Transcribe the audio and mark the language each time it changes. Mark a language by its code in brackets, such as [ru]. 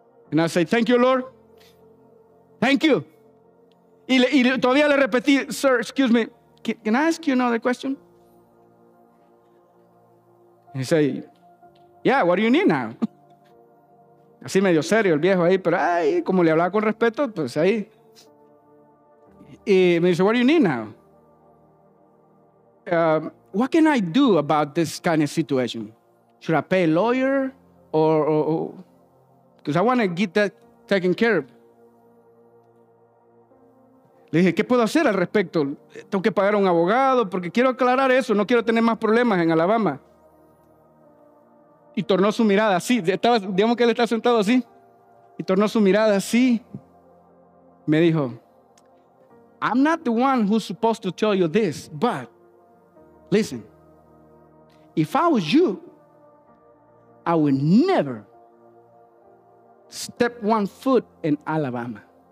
[en] And I say: thank you, Lord. Thank you. [es] Y todavía le repetí: [en] sir, excuse me. Can I ask you another question? He say, yeah, what do you need now? [es] Así medio serio el viejo ahí, pero ay, como le hablaba con respeto, pues ahí. Y me dice: [en] what do you need now? What can I do about this kind of situation? Should I pay a lawyer? Or because I want to get that taken care of. [es] Le dije: ¿qué puedo hacer al respecto? Tengo que pagar a un abogado, porque quiero aclarar eso, no quiero tener más problemas en Alabama. Y tornó su mirada así, estaba, digamos que él está sentado así, y tornó su mirada así. Me dijo: [en] I'm not the one who's supposed to tell you this, but listen, if I was you, I would never step one foot in Alabama.